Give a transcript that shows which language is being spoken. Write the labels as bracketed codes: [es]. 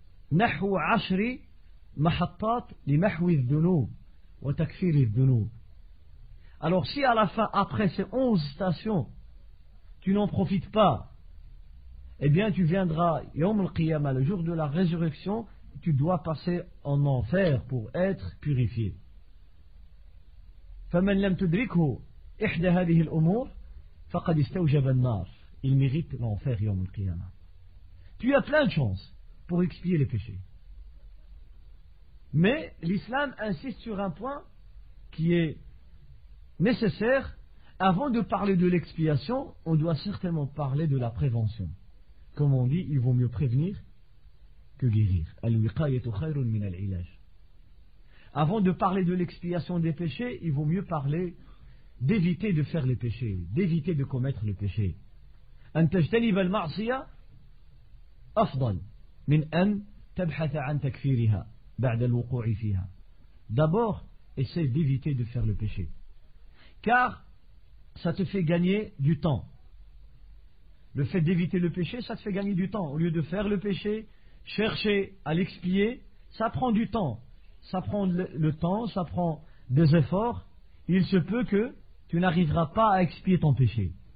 [ar] Nahu ashri mahattat li mahwi dhunub wa takfir dhunub. [fr] Alors si à la fin, après ces 11 stations, tu n'en profites pas, eh bien tu viendras yawm al-qiyamah, le jour de la résurrection, tu dois passer en enfer pour être purifié. [ar] فمن لم تدركه احدى هذه الامور فقد استوجب النار. [fr] Il mérite l'enfer [ar] يوم القيامة. [fr] Tu as plein de chances pour expier les péchés. Mais l'islam insiste sur un point qui est nécessaire. Avant de parler de l'expiation, on doit certainement parler de la prévention. Comme on dit, il vaut mieux prévenir que guérir. [ar] الوقاية خير من العلاج. [fr] Avant de parler de l'expiation des péchés, il vaut mieux parler d'éviter de faire les péchés, d'éviter de commettre le péché. [ar] أن تجتنب المعصية أفضل من أن تبحث عن تكفيرها بعد الوقوع فيها. [fr] D'abord, essaie d'éviter de faire le péché. Car ça te fait gagner du temps. Le fait d'éviter le péché, ça te fait gagner du temps. Au lieu de faire le péché, chercher à l'expier, ça prend du temps. Ça prend le temps, ça prend des efforts. Il se peut que tu n'arriveras pas à expier ton péché.